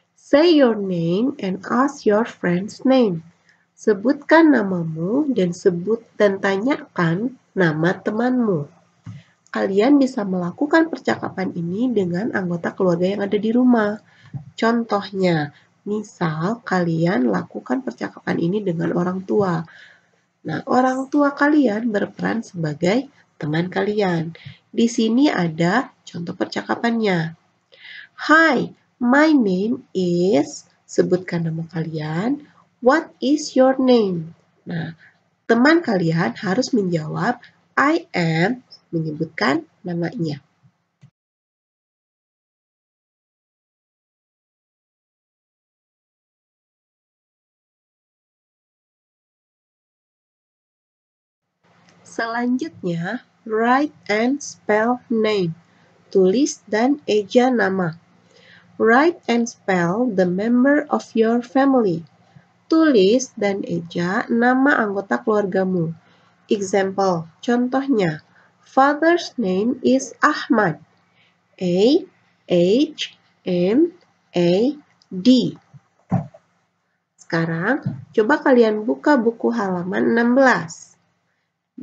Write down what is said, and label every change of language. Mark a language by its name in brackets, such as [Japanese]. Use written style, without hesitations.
[English] Say your name and ask your friend's name. [Indonesian] Sebutkan namamu dan sebut dan tanyakan nama temanmu. Kalian bisa melakukan percakapan ini dengan anggota keluarga yang ada di rumah. Contohnya, misal kalian lakukan percakapan ini dengan orang tua. Nah, orang tua kalian berperan sebagai teman kalian. Di sini ada contoh percakapannya. [English] Hi, my name is, [Indonesian] sebutkan nama kalian, [English] what is your name? [Indonesian] Nah, teman kalian harus menjawab, [English] I am, [Indonesian] menyebutkan namanya. Selanjutnya, [English] write and spell name. [Indonesian] Tulis dan eja nama. [English] Write and spell the member of your family. [Indonesian] Tulis dan eja nama anggota keluargamu. [English] Example, [Indonesian] contohnya, [English] father's name is Ahmad. A-H-M-A-D. [Indonesian] Sekarang, coba kalian buka buku halaman 16.